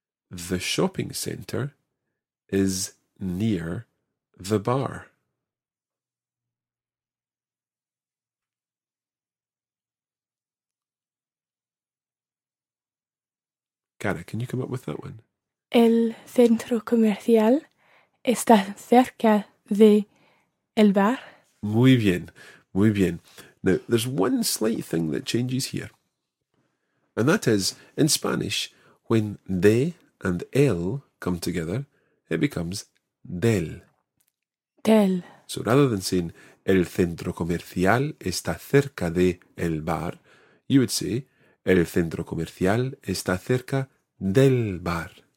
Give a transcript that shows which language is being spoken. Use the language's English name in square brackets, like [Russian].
[English] The shopping centre is near the bar. Cara, can you come up with that one? [Spanish] El centro comercial está cerca de el bar. Muy bien, muy bien. [English] Now, there's one slight thing that changes here. And that is, in Spanish, when de and el come together, it becomes del. [Spanish] Del. [English] So rather than saying [Spanish] el centro comercial está cerca de el bar, [English] you would say [Spanish] el centro comercial está cerca del bar.